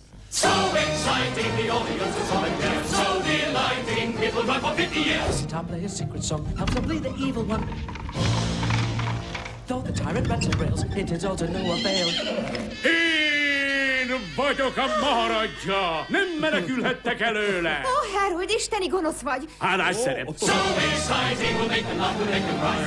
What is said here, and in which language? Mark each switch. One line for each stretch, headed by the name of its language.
English: So exciting, the audience is on again. So delighting, it will run for 50 years. Sit up, play a secret song, helps him bleed the evil one. Though the tyrant rats and rails, it is all to no avail.
Hungarian: Én vagyok a maharadzsa! Nem menekülhettek előle! Ó, hát, hogy isteni gonosz vagy! Hálás szerep!
English: So exciting, we'll make them laugh, we'll make them cry.